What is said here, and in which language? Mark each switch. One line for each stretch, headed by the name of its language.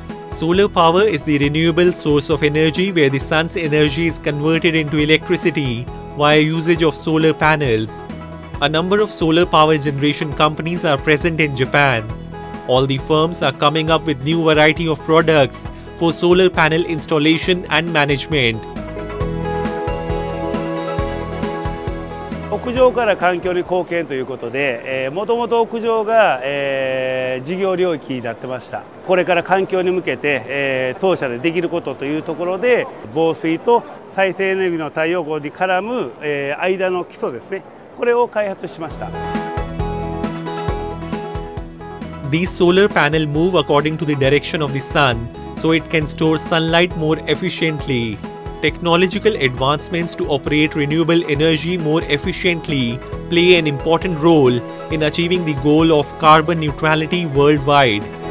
English: Solar power is the renewable source of energy where the sun's energy is converted into electricity via usage of solar panels. A number of solar power generation companies are present in Japan. All the firms are coming up with new variety of products for solar panel installation and management.
Japanese: 屋上から環境に貢献ということで、もともと屋上が、事業領域になってました。これから環境に向けて、当社でできることというところで、防水と再生エネルギーの太陽光に絡む、間の基礎ですね、これを開発しました。
English: These solar panels move according to the direction of the sun, so it can store sunlight more efficiently. Technological advancements to operate renewable energy more efficiently play an important role in achieving the goal of carbon neutrality worldwide.